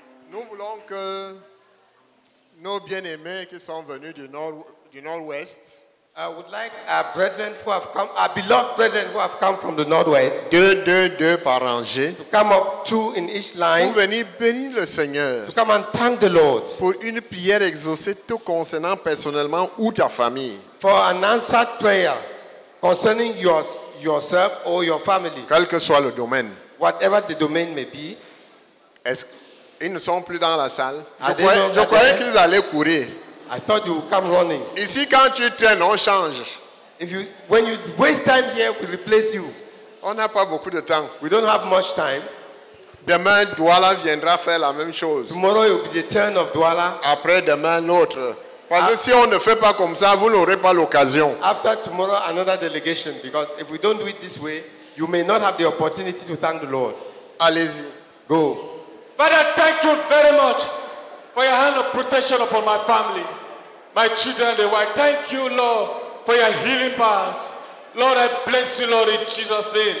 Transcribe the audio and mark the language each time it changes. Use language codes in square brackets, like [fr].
[fr] Nous voulons que nos bien-aimés qui sont venus du nord-ouest, [en] I would like our brethren who have come, our beloved brethren who have come from the northwest, [fr] deux par rangée, [en] to come up two in each line, [fr] pour venir bénir le Seigneur, [en] to come and thank the Lord, [fr] pour une prière exaucée te concernant personnellement ou ta famille, [en] for an answered prayer concerning yourself or your family, [fr] quel que soit le domaine. [en] Whatever the domain may be. [fr] Ils ne sont plus dans la salle. Je croyais qu'ils allaient courir. [en] I thought you would come running. [fr] Ici, quand tu traînes, on change. [en] When you waste time here, we replace you. [fr] On n'a pas beaucoup de temps. [en] We don't have much time. [fr] Demain, Douala viendra faire la même chose. [en] Tomorrow it will be the turn of Douala. [fr] Après demain, l'autre. Parce que si on ne fait pas comme ça, vous n'aurez pas l'occasion. [en] After tomorrow, another delegation. Because if we don't do it this way, you may not have the opportunity to thank the Lord. [fr] Allez-y. [en] Go. Father, thank you very much for your hand of protection upon my family, my children, the wife. Thank you, Lord, for your healing powers. Lord, I bless you, Lord, in Jesus' name.